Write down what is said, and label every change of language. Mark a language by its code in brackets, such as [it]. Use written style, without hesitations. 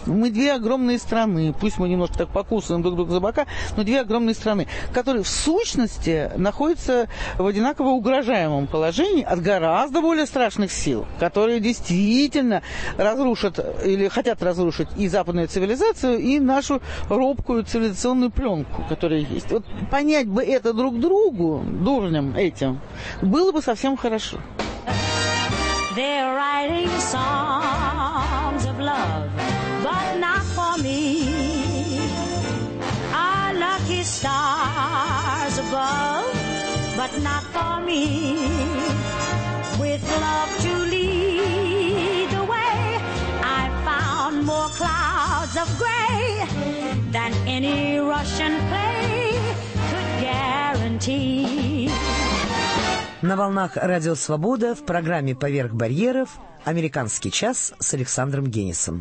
[ru] Мы две огромные страны, пусть мы немножко так покусываем друг друга за бока, но две огромные страны, которые в сущности находятся в одинаково угрожаемом положении от гораздо более страшных сил, которые действительно разрушат или хотят разрушить и западную цивилизацию, и нашу робкую цивилизационную пленку, которая есть. Вот понять бы это друг другу, дурням этим, было бы совсем хорошо. [en] They're writing songs of love, but not for me. Our lucky stars above, but not for me. With love to lead the way, I found more clouds of gray than any Russian play could guarantee. [ru] На волнах «Радио Свобода» в программе «Поверх барьеров» «Американский час» с Александром Генисом.